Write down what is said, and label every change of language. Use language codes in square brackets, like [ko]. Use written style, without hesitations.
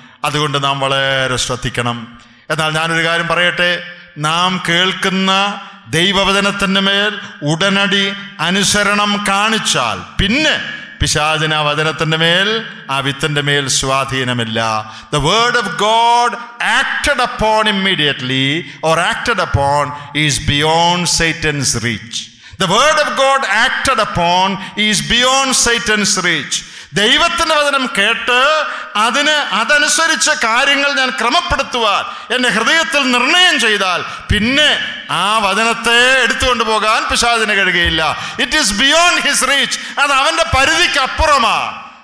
[ml] അതുകൊണ്ട് നാം വളരെ ശ്രദ്ധിക്കണം. എന്നാൽ ഞാനൊരു കാര്യം പറയട്ടെ, നാം കേൾക്കുന്ന ദൈവവചനത്തിന് മേൽ ഉടനടി അനുസരണം കാണിച്ചാൽ പിന്നെ പിശാചിന് ആ വചനത്തിൻ്റെ മേൽ ആ വിത്തിൻ്റെ മേൽ സ്വാധീനമില്ല. [en] The word of God acted upon immediately or acted upon is beyond Satan's reach. The word of God acted upon is beyond Satan's reach. [ml] ദൈവത്തിന്റെ വചനം കേട്ട് അതിന് അതനുസരിച്ച് കാര്യങ്ങൾ ഞാൻ ക്രമപ്പെടുത്തുവാൻ എന്റെ ഹൃദയത്തിൽ നിർണയം ചെയ്താൽ പിന്നെ ആ വചനത്തെ എടുത്തുകൊണ്ട് പോകാൻ പിശാചിന് കഴിയുകയില്ല. [en] It is beyond his reach. [ml] അത് അവന്റെ പരിധിക്ക് അപ്പുറമാണ്.